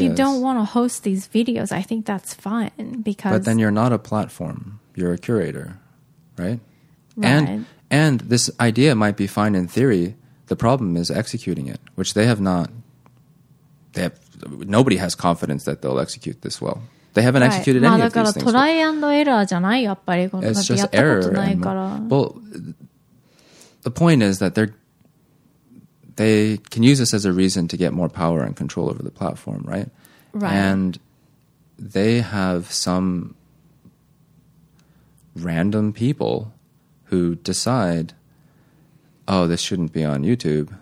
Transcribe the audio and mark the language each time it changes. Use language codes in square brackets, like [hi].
[en] If you don't want to host these videos, I think that's fine because... But then you're not a platform. You're a curator, right? Right. And this idea might be fine in theory. The problem is executing it, which they have not... Nobody has confidence that they'll execute this well. They haven't executed right. any of these things. [ja] まあだからトライアンドエラーじゃないやっぱり。 [en] It's just error. Well, the point is that they can use this as a reason to get more power and control over the platform, right? Right. And they have some random people who decide, oh, this shouldn't be on YouTube.